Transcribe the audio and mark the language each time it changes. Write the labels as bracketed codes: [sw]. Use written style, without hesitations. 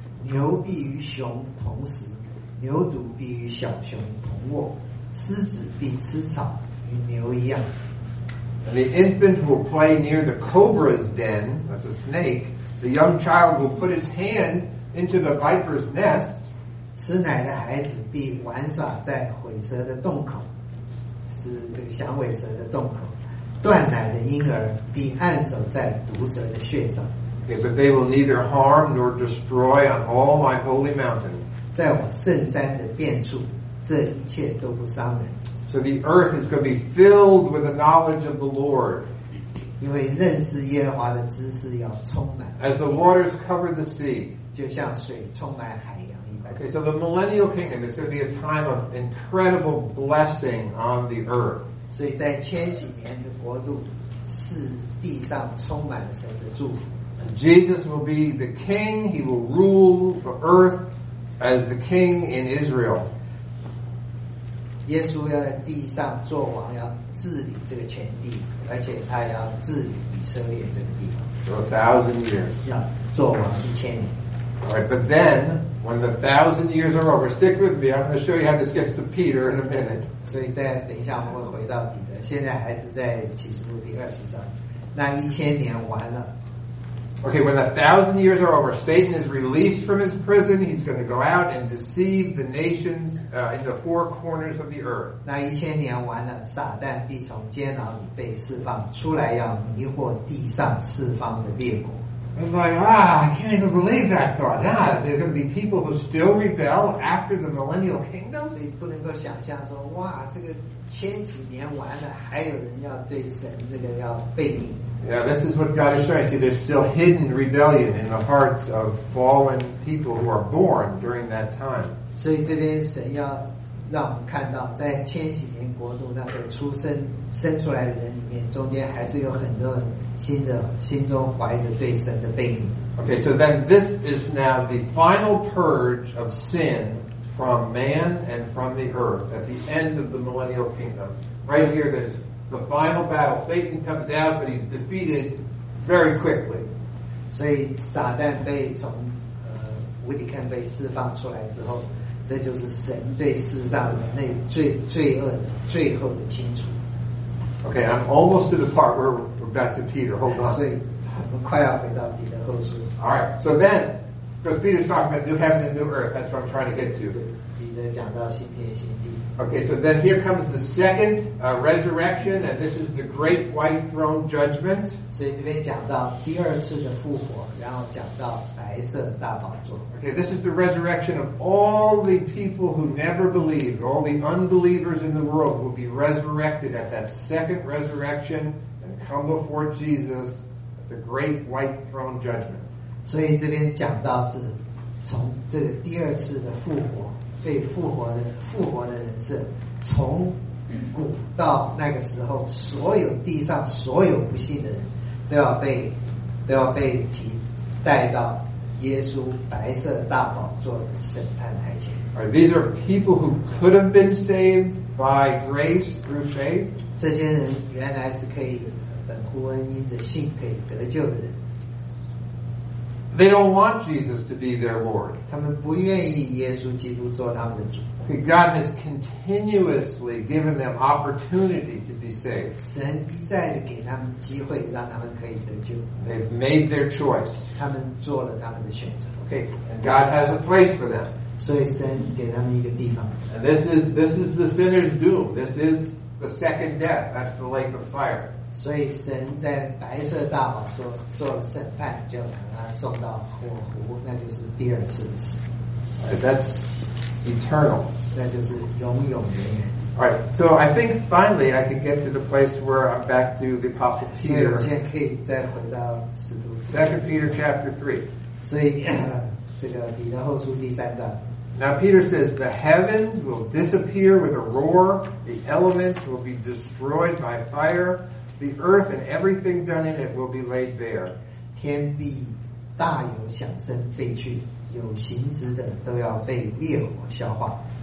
[zh] 牛必与熊同食，牛犊必与小熊同卧，狮子必吃草，与牛一样。 [en] And the infant will play near the cobra's den, that's a snake. The young child will put his hand into the viper's nest. [zh] 吃奶的孩子必玩耍在毁蛇的洞口，是这个响尾蛇的洞口。断奶的婴儿必按手在毒蛇的穴上。 [en] Okay, but they will neither harm nor destroy on all my holy mountain. [zh] 在我圣山的殿处，这一切都不伤人。 [en] So the earth is going to be filled with the knowledge of the Lord. [zh] 因为认识耶和华的知识要充满。 [en] As the waters cover the sea. [zh] 就像水充满海。 [en] Okay, so the millennial kingdom is going to be a time of incredible blessing on the earth. [zh] 所以在千禧年的国度是地上充满了神的祝福。 [en] And Jesus will be the king. He will rule the earth as the king in Israel. [zh] 耶稣要在地上做王，要治理这个全地，而且他要治理以色列这个地方。 [en] For 1,000 years. [zh] 要做王一千年。 [en] All right, but then, when the 1,000 years are over, stick with me, I'm going to show you how this gets to Peter in a minute. [zh] 所以在等一下我们会回到彼得，现在还是在启示录第二十章。那一千年完了。 [en] Okay, when the 1,000 years are over, Satan is released from his prison, he's going to go out and deceive the nations, in the four corners of the earth. [zh] 那一千年完了，撒旦必从监牢里被释放，出来要迷惑地上四方的列国。 [en] I was like, ah, I can't even believe that thought. Ah, there are going to be people who still rebel after the millennial kingdom? So you [zh] 不能够想象说，哇，这个千禧年完了，还有人要对神这个要背逆。 [en] Yeah, this is what God is showing. See, there's still hidden rebellion in the hearts of fallen people who are born during that time. [zh] 所以这边神要让我们看到，在千禧年国度那时候出生生出来的人里面，中间还是有很多人。 [en] Okay, so then this is now the final purge of sin from man and from the earth at the end of the millennial kingdom. Right here, there's the final battle. Satan comes out, but he's defeated very quickly. [zh] 所以撒旦被从无底坑被释放出来之后，这就是神对世上人类罪恶的最后的清除。 [en] Okay, I'm almost to the part where we're back to Peter. Hold on. [zh] 所以我们快要回到彼得后书。 [en] All right. So then, because Peter's talking about new heaven and new earth, that's what I'm trying to get to. [zh] 彼得讲到新天新地。 [en] Okay. So then, here comes the second resurrection, and this is the great white throne judgment. [zh] 所以这边讲到第二次的复活，然后讲到白色大宝座。 [en] Okay. This is the resurrection of all the people who never believed. All the unbelievers in the world will be resurrected at that second resurrection and come before Jesus at the great white throne judgment. [zh] 所以这边讲到是从这个第二次的复活。被复活的复活的人是从古到那个时候，所有地上所有不信的人都要被提带到耶稣白色大宝座的审判台前。 [en] Are these are people who could have been saved by grace through faith? [zh] 这些人原来是可以本乎恩因着信可以得救的人。 [en] They don't want Jesus to be their Lord. [zh] 他们不愿意耶稣基督做他们的主。 [en] Okay, God has continuously given them opportunity to be saved. [zh] 神一再地给他们机会，让他们可以得救。 [en] They've made their choice. [zh] 他们做了他们的选择。 [en] Okay, and God has a place for them. [zh] 所以神给他们一个地方。 [en] And this is the sinner's doom. This is the second death. That's the lake of fire. [zh] 所以神在白色大宝座做了审判，就把他送到火湖，那就是第二次的死。 [en] That's eternal. [zh] 那就是永永远远。 [en] Alright, so I think finally I can get to the place where I'm back to the Apostle Peter. 2 Peter chapter 3. [zh] 所以这个彼得后书第三章. [en] Now Peter says, the heavens will disappear with a roar, the elements will be destroyed by fire, the earth and everything done in it will be laid bare. [zh] 天地大有响声废去, 有形质的都要被烈火消化。